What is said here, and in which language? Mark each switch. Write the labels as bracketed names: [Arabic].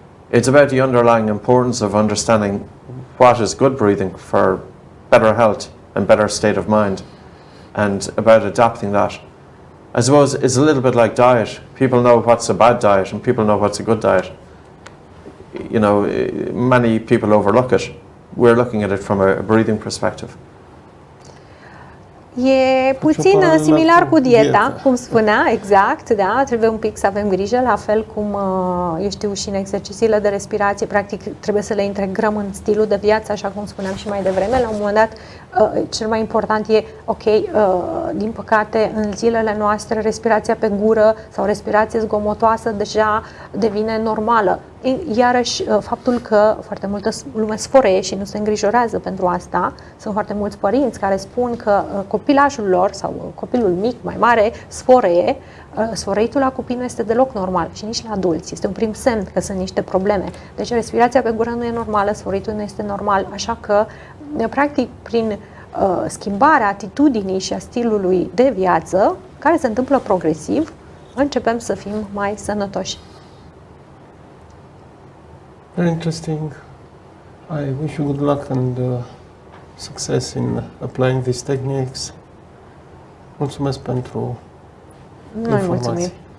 [English] It's about the underlying importance of understanding what is good breathing for better health and better state of mind, and about adapting that. I suppose it's a little bit like diet. People know what's a bad diet and people know what's a good diet. You know, many people overlook it. We're looking at it from a breathing perspective. [Romanian] E puțin similar cu dieta, cum spunea, exact, da, trebuie un pic să avem grijă, la fel cum, eu știu, și în exercițiile de respirație, practic trebuie să le integrăm în stilul de viață, așa cum spuneam și mai devreme, la un moment dat, cel mai important e, ok, din păcate, în zilele noastre, respirația pe gură sau respirație zgomotoasă deja devine normală. Iarăși, faptul că foarte multă lume sforeie și nu se îngrijorează pentru asta, sunt foarte mulți părinți care spun că copilașul lor sau copilul mic, mai mare, sforeie, sforeitul la copii nu este deloc normal și nici la adulți. Este un prim semn că sunt niște probleme. Deci respirația pe gură nu e normală, sforeitul nu este normal, așa că, practic, prin schimbarea atitudinii și a stilului de viață, care se întâmplă progresiv, începem să fim mai sănătoși. [English] Very interesting. I wish you good luck and success in applying these techniques. [Romanian] Mulțumesc pentru informații.